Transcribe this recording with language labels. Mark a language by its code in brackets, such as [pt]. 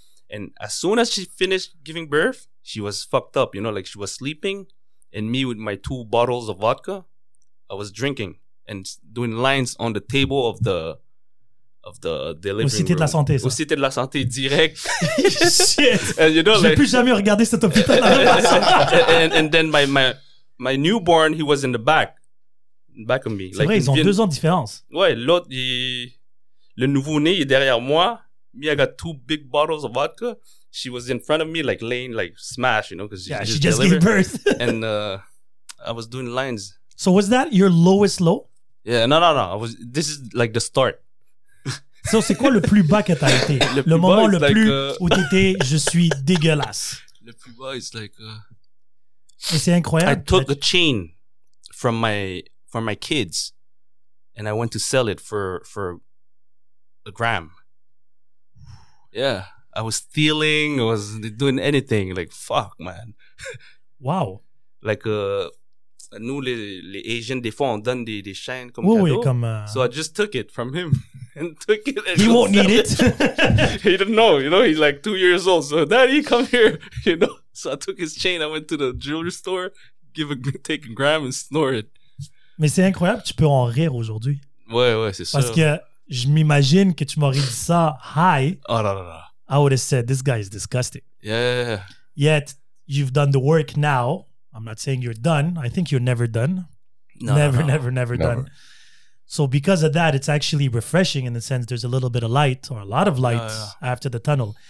[en] And as soon as she finished giving birth, she was fucked up, you know, like she was sleeping, and me with my two bottles of vodka, I was drinking and doing lines on the table of the delivery. [fr] Au Cité de la Santé, ça. Au Cité de la Santé, direct. Shit. [en] And, you know, [fr] j'ai plus jamais regardé cet hôpital. [en] And then my newborn, he was in the back of me. [fr] C'est like vrai, ils ont deux ans de différence. Ouais, l'autre, le nouveau-né, il est derrière moi. [en] Me, I got two big bottles of vodka. She was in front of me, like laying, like smash, you know, because she just gave birth. And I was doing lines. So was that your lowest low? Yeah, no. This is like the start. [fr] So, c'est quoi le plus bas que t'as été? Le moment le plus où t'étais, je suis dégueulasse. Le plus bas, [en] it's like. [fr] Et c'est incroyable. [en] I took a chain from my kids, and I went to sell it for a gram. Yeah, I was stealing. I was doing anything. Like fuck, man. Wow. [fr] Like nous les Asians, des fois on donne des chaînes comme cadeau. [en] So I just took it from him and took it. And he won't need it. He didn't know, you know. He's like 2 years old. So daddy, come here, you know. So I took his chain. I went to the jewelry store, take a gram and snore it. [fr] Mais c'est incroyable. Tu peux en rire aujourd'hui. Ouais, c'est sûr. Parce que je m'imagine que tu m'aurais dit ça, hi. [en] Oh, no. I would have said, this guy is disgusting. Yeah. Yet, you've done the work now. I'm not saying you're done. I think you're never done. No, never. So because of that, it's actually refreshing in the sense there's a little bit of light or a lot of light after the tunnel.